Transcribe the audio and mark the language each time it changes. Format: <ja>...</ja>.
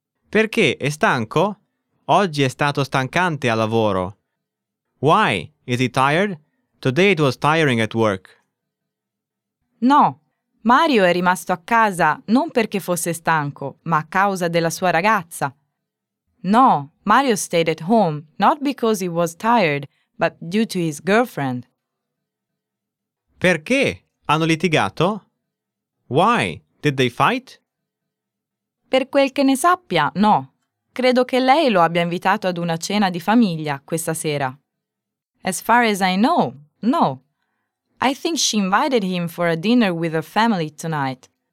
<it>Perché? È stanco? Oggi è stato stancante a lavoro.</it> <en>Why? Is he tired? Today it was tiring at work.</en> <it>No, Mario è rimasto a casa non perché fosse stanco, ma a causa della sua ragazza.</it> <en>No, Mario stayed at home not because he was tired, but due to his girlfriend.</en> <it>Perché? Hanno litigato?</it> <en>Why? Did they fight?</en> <it>Per quel che ne sappia, no. Credo che lei lo abbia invitato ad una cena di famiglia questa sera.</it> <en>As far as I know, no. I think she invited him for a dinner with her family tonight.</en>